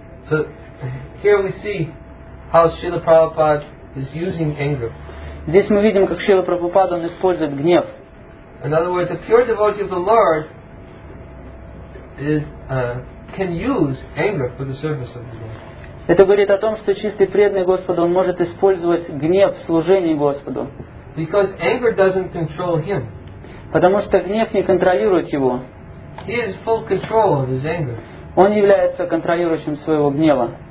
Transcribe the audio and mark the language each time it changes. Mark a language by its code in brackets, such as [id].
[en] So here we see how Srila Prabhupada is using anger. [ru] Здесь мы видим, как Шрила Прабхупада он использует гнев. [en] In other words, a pure devotee of the Lord is can use anger for the service of the Lord. [ru] Это говорит о том, что чистый преданный Господу он может использовать гнев в служении Господу. [en] Because anger doesn't control him. [ru] Потому что гнев не контролирует его. [en] He is full control of his anger. [ru] Он является контролирующим своего гнева.